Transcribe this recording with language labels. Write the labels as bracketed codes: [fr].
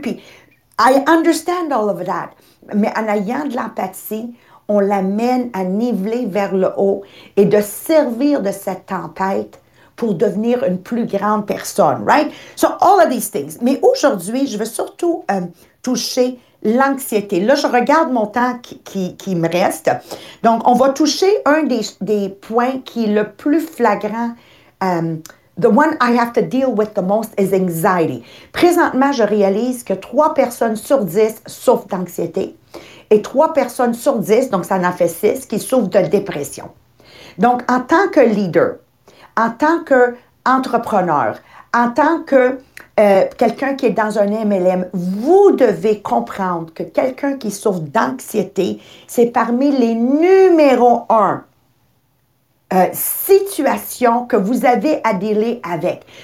[fr] Puis, [en] I understand all of that. [fr] Mais en ayant de l'empathie, on l'amène à niveler vers le haut et de servir de cette tempête pour devenir une plus grande personne, right? [en] So, all of these things. [fr] Mais aujourd'hui, je veux surtout toucher l'anxiété. Là, je regarde mon temps qui me reste. Donc, on va toucher un des points qui est le plus flagrant. [en] The one I have to deal with the most is anxiety. [fr] Présentement, je réalise que 3 personnes sur 10 souffrent d'anxiété et 3 personnes sur 10, donc ça en fait 6, qui souffrent de dépression. Donc, en tant que leader, en tant qu'entrepreneur, en tant que quelqu'un qui est dans un MLM, vous devez comprendre que quelqu'un qui souffre d'anxiété, c'est parmi les numéros 1 situation que vous avez à dealer avec.